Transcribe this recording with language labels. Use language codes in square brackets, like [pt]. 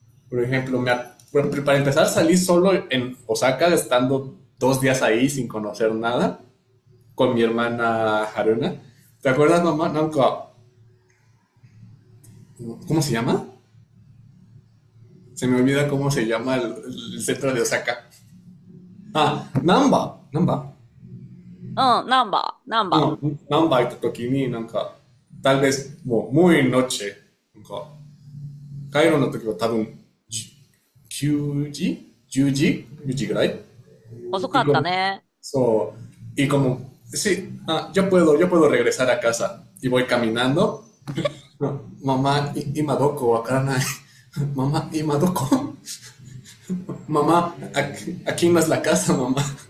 [es] Por ejemplo, para empezar salí solo en Osaka, estando 2 días ahí sin conocer nada, con mi hermana Haruna. ¿Te acuerdas, mamá? Nanka... ¿Cómo se llama? Se me olvida cómo se llama el centro de Osaka. Ah, Namba, Namba. Namba [ja] 行った時になんか、 [es] tal vez [ja] もう [es] muy noche、 [ja] なんか、帰るの時は多分9時ぐらい。遅かったね。そう。 [es] Y como, sí, yo puedo regresar a casa. Y voy caminando. Mamá, [ja] 今どこ?わからない。 [es] Mamá, [ja] 今どこ? [es] Mamá, aquí no es la casa, mamá.